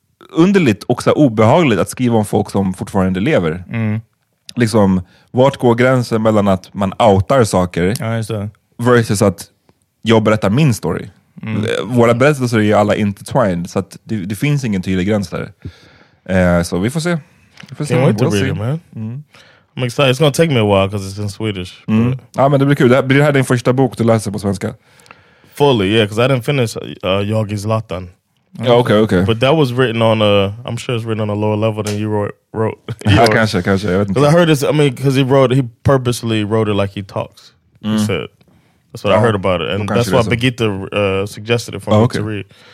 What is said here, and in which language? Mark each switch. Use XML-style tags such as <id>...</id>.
<sv>underligt och så obehagligt att skriva om folk som fortfarande lever. Liksom, vart går gränsen mellan att man outar saker versus att jag berättar min story? Våra berättelser är ju alla intertwined, så att det finns ingen tydlig gräns där. Så vi får se.</sv> <en>Can't wait to read it, man. I'm excited. It's gonna take me a while because it's in Swedish.</en> <sv>Ja, men det blir kul. Blir det här din första bok du läser på svenska?</sv> <en>Fully, yeah, because I didn't finish Jogi Zlatan. Oh, okay. But that was written on a, I'm sure it's written on a lower level than you wrote.</en> <sv>Kanske.</sv> <en>Because I heard this, I mean, because he purposely wrote it like he talks. He said, that's what I heard about it. And that's why Birgitta suggested it for me to read.</en>